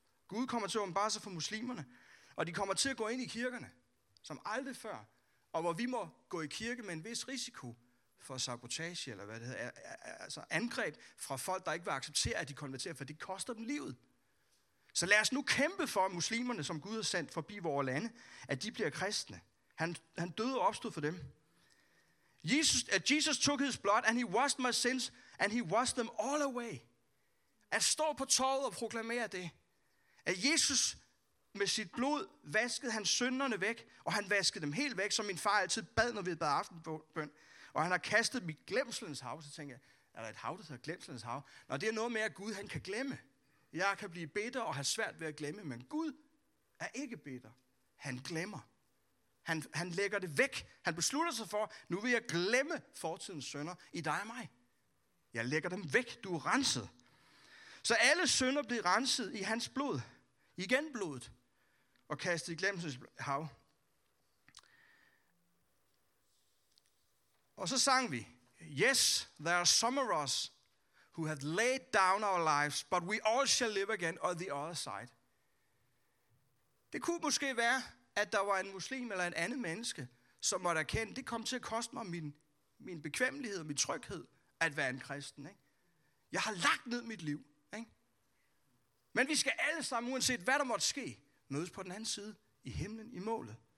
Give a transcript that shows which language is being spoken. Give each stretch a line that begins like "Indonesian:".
Danish: Gud kommer til at åbenbare sig for muslimerne, og de kommer til at gå ind i kirkerne, som aldrig før, og hvor vi må gå i kirke med en vis risiko for sabotage, eller hvad det hedder, altså angreb fra folk, der ikke vil acceptere, at de konverterer, for det koster dem livet. Så lad os nu kæmpe for muslimerne, som Gud har sendt forbi vores lande, at de bliver kristne. Han døde og opstod for dem.
English: Jesus took his blood, and he washed my sins, and he washed them all away.
Danish: At stå på torvet og proklamere det, at Jesus med sit blod vaskede hans synderne væk, og han vaskede dem helt væk, som min far altid bad, når vi bad aftenbøn, og han har kastet dem i glemselens hav, så tænker jeg, er der et hav, der hedder glemselens hav? Nå, det er noget med, at Gud han kan glemme. Jeg kan blive bitter og have svært ved at glemme, men Gud er ikke bitter. Han glemmer. Han lægger det væk. Han beslutter sig for, nu vil jeg glemme fortidens synder i dig og mig. Jeg lægger dem væk. Du er renset. Så alle synder bliver renset i hans blod. Igen blodet. Og kastet i glemselens hav.
English: Og så sang vi. Yes, there are some of us who hath laid down our lives, but we all shall live again on the other side.
Danish: Det kunne måske være, at der var en muslim eller en anden menneske, som måtte erkende, det kom til at koste mig min bekvemmelighed og min tryghed at være en kristen. Ikke? Jeg har lagt ned mit liv. Ikke? Men vi skal alle sammen, uanset hvad der måtte ske, mødes på den anden side i himlen, i målet.